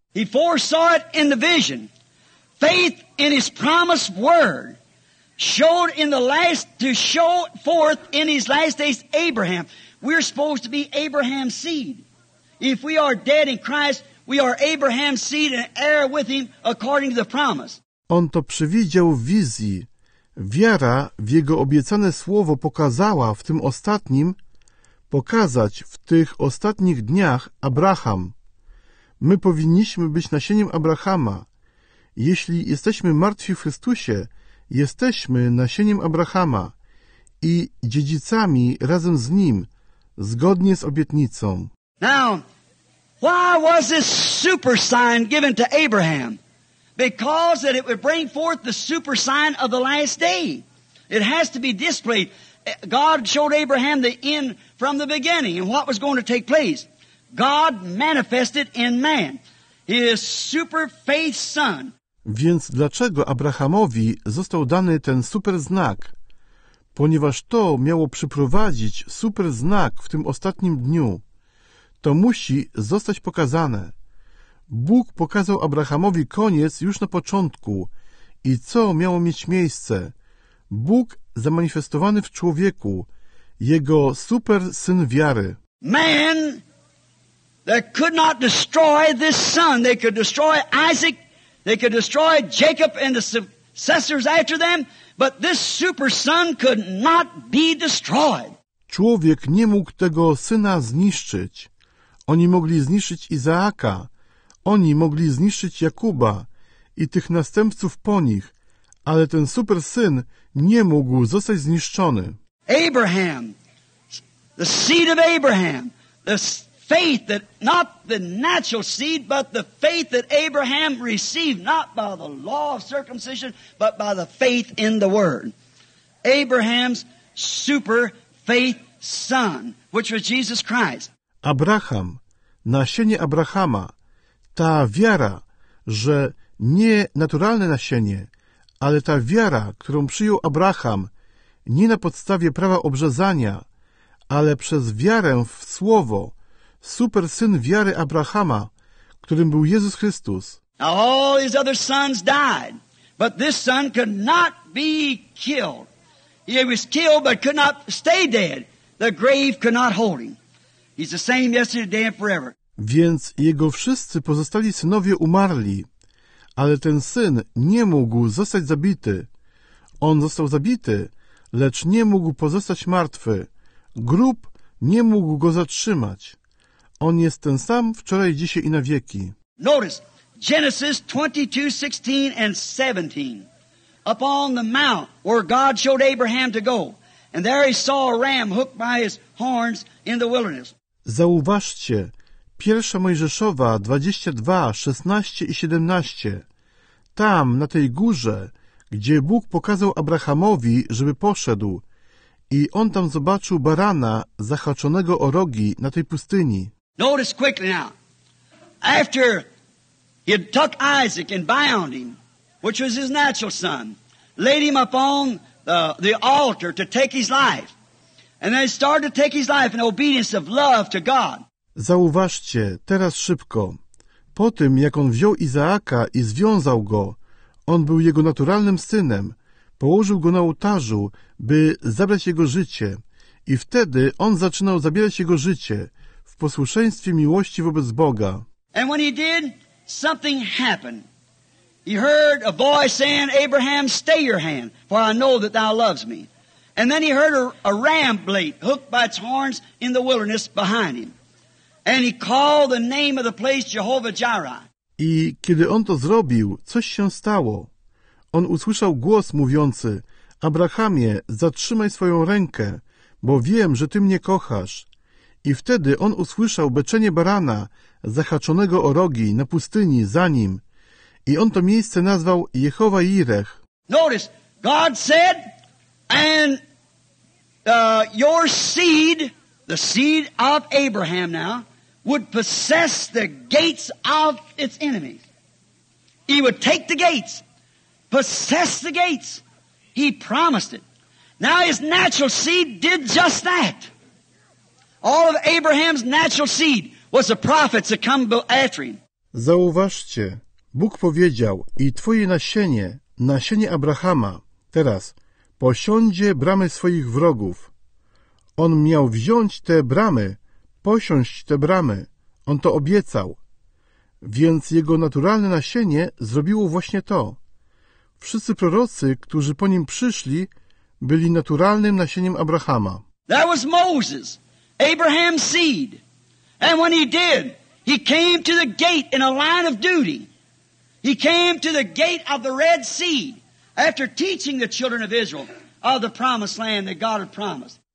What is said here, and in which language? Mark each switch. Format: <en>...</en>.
<en>He foresaw it in the vision. Faith in his promised word. Showed in the last, to show forth in his last days, Abraham. We're supposed to be Abraham's seed. If we are dead in Christ, we are Abraham's seed and heir with him according to the promise.</en> <pl>On to przewidział w wizji. Wiara w jego obiecane słowo pokazała w tym ostatnim, pokazać w tych ostatnich dniach Abraham. My powinniśmy być nasieniem Abrahama. Jeśli jesteśmy martwi w Chrystusie, jesteśmy nasieniem Abrahama i dziedzicami razem z Nim, zgodnie z obietnicą.</pl> <en>Now, why was this super sign given to Abraham? Because that it would bring forth the super sign of the last day. It has to be displayed. God showed Abraham the end from the beginning and what was going to take place. God manifested in man his super faith son.</en> <pl>Więc dlaczego Abrahamowi został dany ten super znak? Ponieważ to miało przyprowadzić super znak w tym ostatnim dniu. To musi zostać pokazane. Bóg pokazał Abrahamowi koniec już na początku i co miało mieć miejsce. Bóg zamanifestowany w człowieku, jego super syn wiary.</pl> <en>Man that could not destroy this son, they could destroy Isaac. They could destroy Jacob and the successors after them, but this super son could not be destroyed.</en> <pl>Człowiek nie mógł tego syna zniszczyć. Oni mogli zniszczyć Izaaka, oni mogli zniszczyć Jakuba i tych następców po nich, ale ten super syn nie mógł zostać zniszczony.</pl> <en>Abraham, the seed of Abraham, the faith that not the natural seed, but the faith that Abraham received, not by the law of circumcision, but by the faith in the word. Abraham's super faith son, which was Jesus Christ.</en> <pl>Abraham, nasienie Abrahama, ta wiara, że nie naturalne nasienie, ale ta wiara, którą przyjął Abraham, nie na podstawie prawa obrzezania, ale przez wiarę w słowo, super syn wiary Abrahama, którym był Jezus Chrystus.</pl> <en>Now all his other sons died, but this son could not be killed. He was killed, but could not stay dead. The grave could not hold him. He's the same yesterday, today, and forever.</en> <pl>Więc jego wszyscy pozostali synowie umarli, ale ten syn nie mógł zostać zabity. On został zabity, lecz nie mógł pozostać martwy. Grób nie mógł go zatrzymać. On jest ten sam wczoraj, dzisiaj i na wieki.</pl> <en>Notice Genesis 22:16 and 17. Upon the mount where God showed Abraham to go, and there he saw a ram hooked by his horns in the wilderness.</en> <pl>Zauważcie, pierwsza Mojżeszowa 22:16 i 17. Tam, na tej górze, gdzie Bóg pokazał Abrahamowi, żeby poszedł, i on tam zobaczył barana zahaczonego o rogi na tej pustyni.</pl> <en>Notice quickly now. After he had took Isaac and bound him, which was his natural son, laid him upon the altar to take his life. And then he started to take his life in obedience of love to God.</en> <pl>Zauważcie, teraz szybko. Po tym, jak on wziął Izaaka i związał go, on był jego naturalnym synem, położył go na ołtarzu, by zabrać jego życie. I wtedy on zaczynał zabierać jego życie w posłuszeństwie miłości wobec Boga.</pl> <en>And when he did, something happened. He heard a voice saying, Abraham, stay your hand, for I know that thou loves me. And then he heard a ram bleat hooked by its horns in the wilderness behind him. And he called the name of the place Jehovah Jireh.</en> <pl>I kiedy on to zrobił, coś się stało. On usłyszał głos mówiący, Abrahamie, zatrzymaj swoją rękę, bo wiem, że ty mnie kochasz. I wtedy on usłyszał beczenie barana, zahaczonego o rogi na pustyni za nim. I on to miejsce nazwał Jehova Jireh.</pl> <en>Notice, God said, and your seed, the seed of Abraham now, would possess the gates of its enemies. He would take the gates, possess the gates. He promised it. Now his natural seed did just that. All of Abraham's natural seed was the prophets that come after him.</en> <pl>Zauważcie, Bóg powiedział, i twoje nasienie, nasienie Abrahama, teraz posiądzie bramy swoich wrogów. On miał wziąć te bramy, posiąść te bramy. On to obiecał. Więc jego naturalne nasienie zrobiło właśnie to. Wszyscy prorocy, którzy po nim przyszli, byli naturalnym nasieniem Abrahama.</pl> <en>That was Moses, Abraham's seed. And when he did, he came to the gate in a line of duty. He came to the gate of the Red Sea after teaching the children of Israel of the promised land that God had promised.</en>